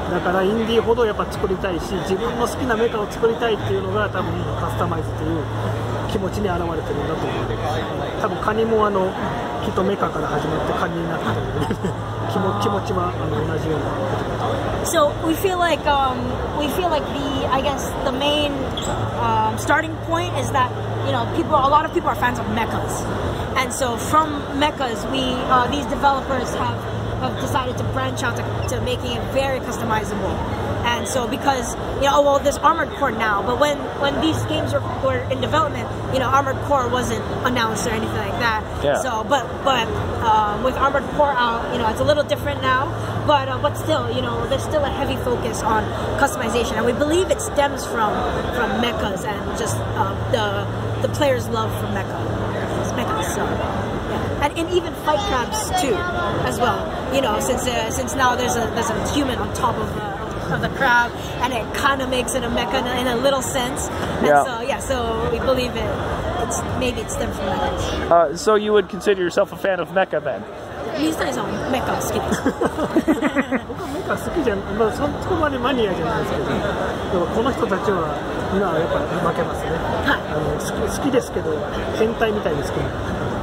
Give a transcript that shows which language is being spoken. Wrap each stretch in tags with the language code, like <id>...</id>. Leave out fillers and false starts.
<ja>だからインディーほどやっぱ作りたいし、自分の好きなメカを作りたいっていうのが多分カスタマイズっていう気持ちに表れてるんだと思うんです。多分カニもあのきっとメカから始まってカニになったので気持ちはあの同じようなことだと思います。</ja> <en>So we feel like the I guess the main starting point is thatYou know, people, a lot of people are fans of mechas. And so from mechas, these developers have decided to branch out to making it very customizable. And so because, you know, well, there's Armored Core now, but when these games were in development, you know, Armored Core wasn't announced or anything like that. Yeah. So, but with Armored Core out, you know, it's a little different now. But still, you know, there's still a heavy focus on customization. And we believe it stems from mechas and just the player's love for mechas. So, yeah. And even Fight Crabs too, as well. You know, since now there's a human on top of the crab, and it kind of makes it a mecha in a little sense. Yeah. So we believe it's maybe it stems from mechas. So you would consider yourself a fan of mecha then?</en> <ja>Mizutani さんはメカ好きです。僕はメカ好きじゃん、まあ、そこまでマニアじゃないですけど、でもこの人たちは今はやっぱり負けますね。はい、好きですけど変態みたいに好きな。</ja>